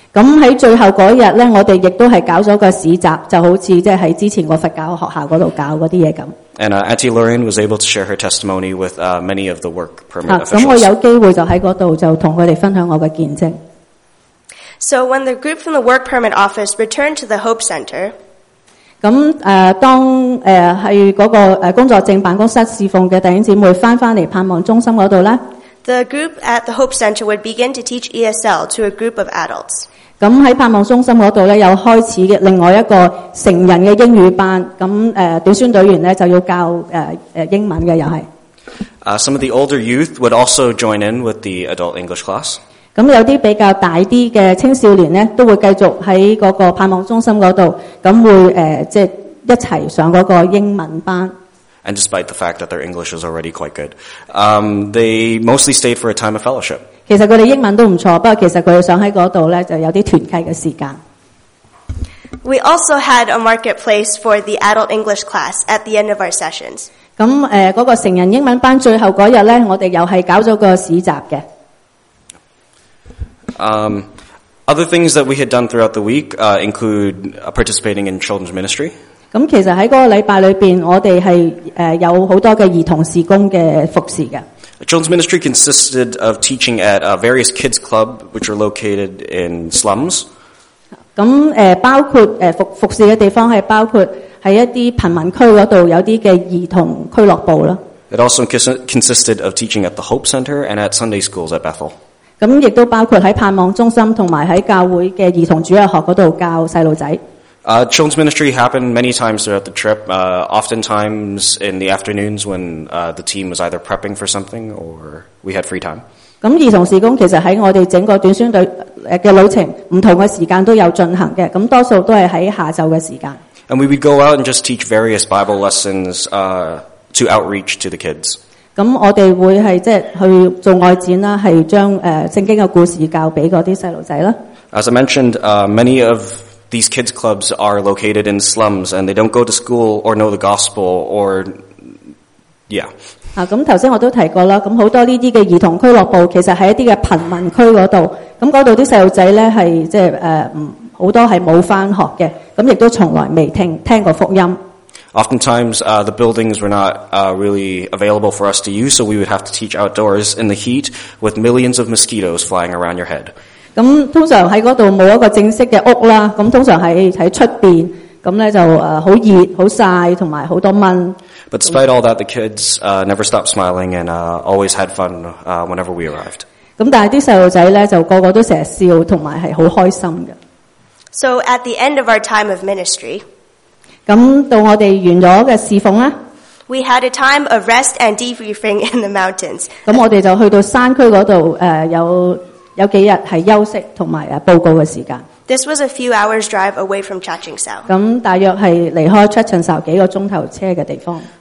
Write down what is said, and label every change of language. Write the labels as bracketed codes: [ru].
[yue] 咁喺最后嗰日咧，我哋亦都系搞咗个市集，就好似即系喺之前个佛教学校嗰度搞嗰啲嘢咁。 [en] And Auntie Lorraine was able to share her testimony with many of the work permit officials. [yue] 咁我有机会就喺嗰度就同佢哋分享我嘅见证。 [en] So when the group from the work permit office returned to the Hope Center, [yue] 咁当系嗰个工作证办公室侍奉嘅弟兄姊妹翻嚟盼望中心嗰度咧。 [en] The group at the Hope Center would begin to teach ESL to a group of adults. [yue] 咁喺盼望中心嗰度咧，又开始嘅另外一个成人嘅英语班。咁短宣队员咧就要教英文嘅，又系。 [en] Some of the older youth would also join in with the adult English class. [yue] 咁有啲比较大啲嘅青少年咧，都会继续喺嗰个盼望中心嗰度，咁会即系一齐上嗰个英文班。 [en] And despite the fact that their English is already quite good, they mostly stayed for a time of fellowship. [yue] 其实佢哋英文都唔错，不过其实佢哋想喺嗰度咧就有啲团契嘅时间。 [en] We also had a marketplace for the adult English class at the end of our sessions. [yue] 咁嗰个成人英文班最后嗰日咧，我哋又系搞咗个市集嘅。 [en] Other things that we had done throughout the week include participating in children's ministry. [yue] 咁其實喺嗰個禮拜裏面，我哋係有好多嘅兒童事工嘅服侍嘅。 [en] Children's ministry consisted of teaching at various kids club, which are located in slums. [yue] 咁包括服侍嘅地方係包括喺一啲貧民區嗰度有啲嘅兒童俱樂部啦。 [en] It also consisted of teaching at the Hope Center and at Sunday schools at Bethel. [yue] 咁亦都包括喺盼望中心同埋喺教會嘅兒童主日學嗰度教細路仔。 [en] Children's ministry happened many times throughout the trip, oftentimes in the afternoons when the team was either prepping for something or we had free time. [yue] 咁兒童事工其實喺我哋整個短宣隊嘅旅程，唔同嘅時間都有進行嘅，咁多數都係喺下晝嘅時間。 [en] And we would go out and just teach various Bible lessons to outreach to the kids. [yue] 咁我哋會係即係去做外展啦，係將聖經嘅故事教俾嗰啲細路仔啦。 [en] As I mentioned, many of these kids clubs are located in slums and they don't go to school or know the gospel or yeah. [yue] 咁頭先我都提過啦，咁好多呢啲嘅兒童俱樂部其實係一啲嘅貧民區嗰度，咁嗰度啲細路仔呢係即係好多係冇返學嘅，咁亦都從來未聽過福音。 [en] Oftentimes, the buildings were not really available for us to use, so we would have to teach outdoors in the heat with millions of mosquitoes flying around your head. [yue] 咁通常喺嗰度冇一个正式嘅屋啦，咁通常喺出边，咁咧就好热、好晒，同埋好多蚊。 [en] But despite all that, the kids never stopped smiling and always had fun whenever we arrived. [yue] 咁但系啲细路仔咧就个个都成日笑，同埋系好开心嘅。 [en] So at the end of our time of ministry, [yue] 咁到我哋完咗嘅侍奉啦。 [en] We had a time of rest and debriefing in the mountains. [yue] 咁我哋就去到山区嗰度有几日系休息同埋报告嘅时间。 [en] This was a few hours drive away from Chaching Sao. [yue] 咁大约系离开 Chaching Sao 几个钟头车嘅地方。